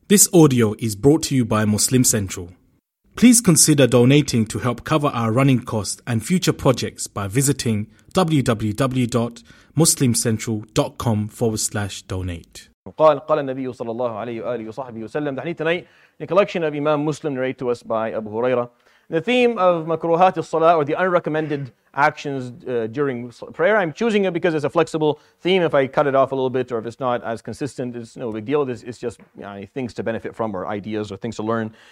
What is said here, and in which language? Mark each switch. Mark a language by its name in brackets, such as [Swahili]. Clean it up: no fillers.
[English] This audio is brought to you by Muslim Central. Please consider donating to help cover our running costs and future projects by visiting www.muslimcentral.com/donate. [Arabic] قال النبي صلى الله عليه وآله وصحبه وسلم. [English] The collection of Imam Muslim narrated to us by Abu Huraira. The theme of makruhat al-salah, or the unrecommended actions during prayer. I'm choosing it because it's a flexible theme. If I cut it off a little bit, or if it's not as consistent, it's no big deal. It's just, you know, things to benefit from, or ideas, or things to learn.